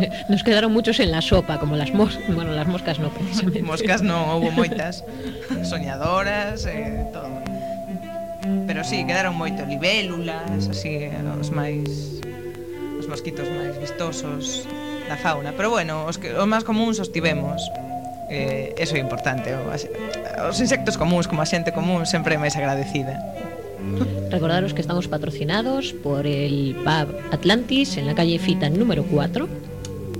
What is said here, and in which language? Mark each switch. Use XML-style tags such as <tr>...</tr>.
<es>nos quedaron muchos en la sopa, como las moscas, bueno, las moscas no, precisamente.</es> <gl>Moscas no, houve moitas, soñadoras, todo.</gl> <es>Pero sí, quedaron</es> <gl>moito libélulas, así, os mosquitos máis vistosos da fauna. Pero bueno, os máis comuns os tivemos, eso é importante. Os insectos comuns, como a xente común, sempre é máis agradecida.</gl> <es>Recordaros que estamos patrocinados por el Pub Atlantis, en la calle Fita número 4.</es>